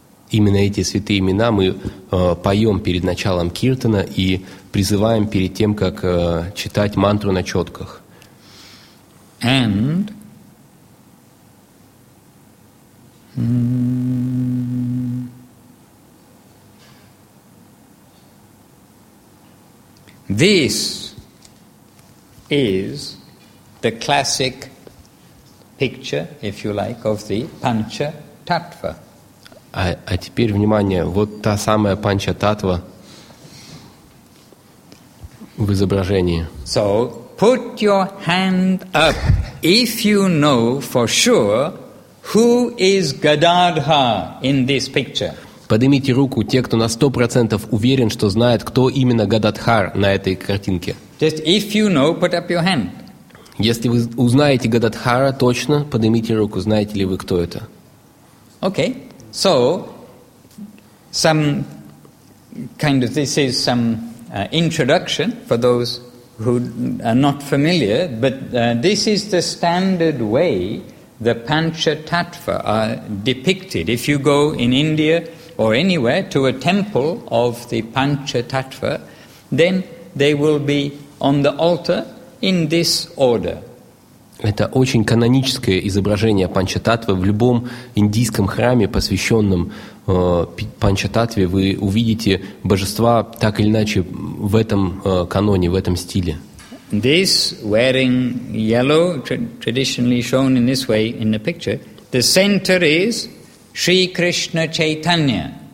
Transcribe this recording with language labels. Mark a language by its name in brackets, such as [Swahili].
[Russian] Именно эти святые имена мы поем перед началом киртана и призываем перед тем, как читать мантру на четках. [English] And this is the classic picture, if you like, of the Pancha Tattva. [Russian] А теперь внимание, вот та самая Pancha Tattva в изображении. [English] So put your hand up if you know for sure who is Gadadha in this picture. [Russian] Поднимите руку те, кто на 100% уверен, что знает, кто именно Гададхар на этой картинке. [English] Just if you know, put up your hand. [Russian] Если вы узнаете Гададхара точно, поднимите руку, знаете ли вы, кто это. [English] Okay. So, some kind of, this is some introduction for those who are not familiar, but this is the standard way the Panchatattva are depicted. If you go in India or anywhere to a temple of the Panchatattva, then they will be on the altar in this order. [Russian] Это очень каноническое изображение Панчататвы. В любом индийском храме, посвященном Панчататве, вы увидите божества так или иначе в этом каноне, в этом стиле. [English] This wearing yellow, traditionally shown in this way in the picture, the center is Shri Krishna Chaitanya.